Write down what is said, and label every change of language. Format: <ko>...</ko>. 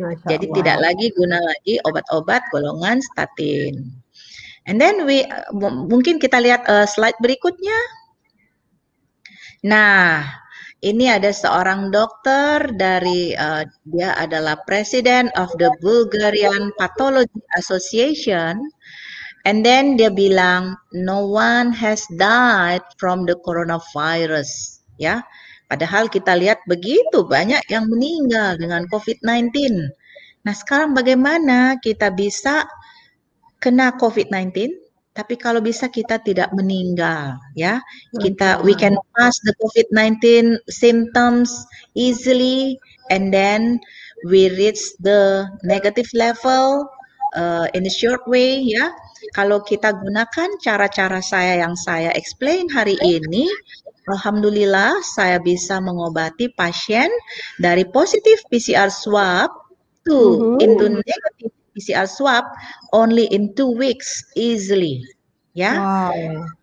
<id>Jadi tidak lagi guna lagi obat-obat golongan statin.</id> <en>And then we</en> <id>mungkin kita lihat slide berikutnya. Nah, ini ada seorang dokter dari, dia adalah President of the Bulgarian Pathology Association.</id> <en>And then</en> <id>dia bilang,</id> <en>no one has died from the coronavirus.</en> <id>Ya, padahal kita lihat begitu banyak yang meninggal dengan COVID-19. Nah, sekarang bagaimana kita bisa kena COVID-19? Tapi kalau bisa kita tidak meninggal, ya.</id> <en>Kita, we can pass the COVID-19 symptoms easily and then we reach the negative level in a short way, ya.</en> <id>Kalau kita gunakan cara-cara saya yang saya explain hari ini, alhamdulillah saya bisa mengobati pasien dari positif PCR swab</id> <en>to into negative PCR swab only in 2 weeks easily,</en> <id>yeah. Wow.</id>